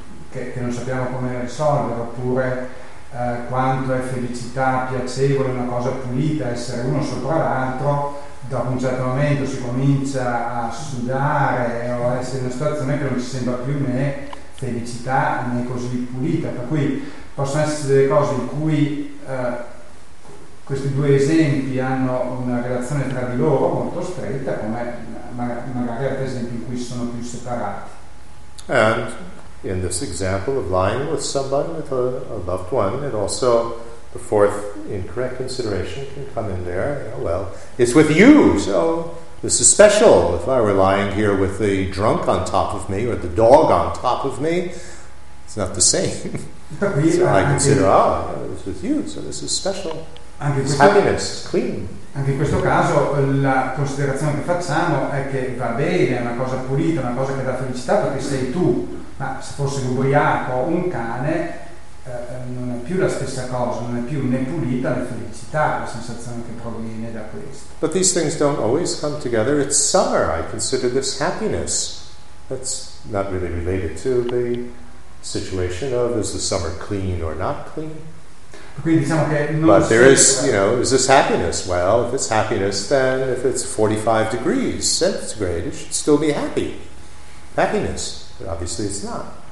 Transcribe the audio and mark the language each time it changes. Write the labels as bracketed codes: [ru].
[it] che non sappiamo come risolvere, oppure quanto è felicità piacevole, una cosa pulita, essere uno sopra l'altro, dopo un certo momento si comincia a sudare o a essere in una situazione che non ci sembra più né felicità né così pulita. Per cui possono esserci delle cose in cui questi due esempi hanno una relazione tra di loro molto stretta, come magari ad esempio in cui sono più separati. [en] And in this example of lying with somebody, with a loved one, and also the fourth incorrect consideration can come in there. Yeah, well, it's with you, so this is special. If I were lying here with the drunk on top of me or the dog on top of me, it's not the same. So I consider, it's with you, so this is special. [it] Anche [en] it's happiness, clean. [it] Anche in questo caso la considerazione che facciamo è che va bene, è una cosa pulita, una cosa che dà felicità perché sei tu. Ma se fosse un ubriaco o un cane, non è più la stessa cosa, non è più né pulita né felicità la sensazione che proviene da questo. [en] But these things don't always come together. It's summer, I consider this happiness. That's not really related to the situation of is the summer clean or not clean. [it] Quindi diciamo che non [en] but there is, you know, is this happiness? Well, if it's happiness, then if it's 45 degrees centigrade, it should still be happy. Happiness. But obviously it's not.